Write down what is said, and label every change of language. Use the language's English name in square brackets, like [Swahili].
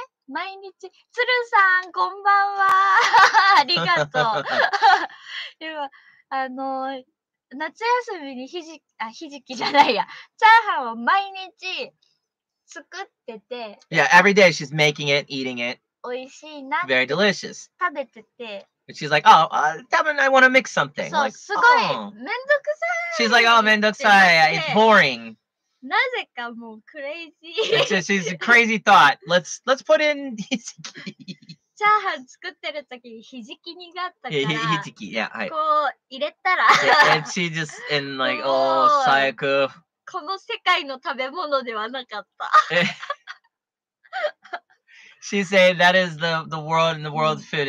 [Japanese] 毎日、つるさん、こんばんは。ありがとう。でも、夏休みにひじきじゃないや。チャーハンを毎日作ってて。 [English] Yeah, every day she's making it, eating it. [Japanese] 美味しいな。 [English] Very delicious. [Japanese] 食べてて。 [English] And she's like, oh, [Japanese] たぶん [English] I want to mix something. [Japanese] そう、 [English] like, [Japanese] すごい、めんどくさい。 [English] She's like, oh, [Japanese] めんどくさい。 [English] It's boring. [Japanese] なぜかもうクレイジー。 [English] It's a crazy thought. Let's put in ひじき。 [Japanese] チャーハン作ってる時にひじき煮があったから。ひじき、 [English] yeah, [Japanese] はい。こう入れたら。 [English] Yeah, and she just in like, oh, [Japanese] 最悪。この世界の食べ物ではなかった。 [English] She said that is the world and the world's food.